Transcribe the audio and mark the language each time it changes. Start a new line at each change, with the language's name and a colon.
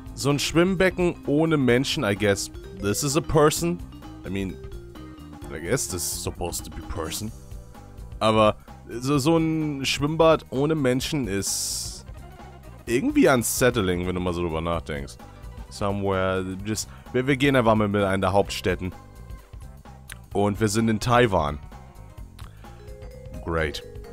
German: So ein Schwimmbecken ohne Menschen,
English: I guess. This is a person. I mean, I guess this is supposed to be person.
German: Aber so ein Schwimmbad ohne Menschen ist irgendwie
English: unsettling,
German: wenn du mal so drüber nachdenkst.
English: Somewhere, just...
German: Wir gehen einfach mal mit einer der Hauptstädten. Und wir sind in Taiwan.
English: Great.